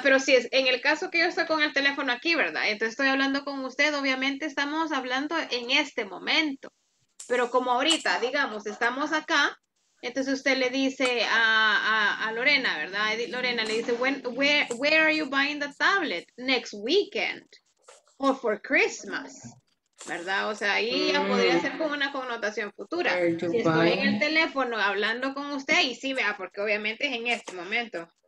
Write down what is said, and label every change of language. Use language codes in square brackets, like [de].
[es] Pero si es en el caso que yo estoy con el teléfono aquí, ¿verdad? Entonces estoy hablando con usted, obviamente estamos hablando en este momento. Pero como ahorita, digamos, estamos acá, entonces usted le dice a Lorena, ¿verdad? Lorena le dice, [en] where are you buying the tablet? Next weekend or for Christmas, ¿verdad? [es] O sea, ahí ya podría ser como una connotación futura. Si estoy en el teléfono hablando con usted, y sí, vea, porque obviamente es en este momento.